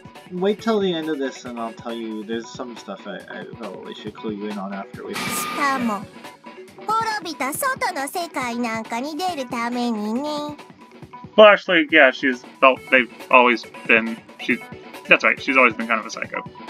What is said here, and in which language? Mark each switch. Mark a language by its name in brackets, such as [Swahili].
[English] Wait till the end of this and I'll tell you. There's some stuff I probably should clue you in on after we finish. [Japanese] しかも、滅びた外の世界なんかに出るためにね。 [English] Well, actually, yeah, she's felt they've always been. That's right, she's always been kind of a psycho.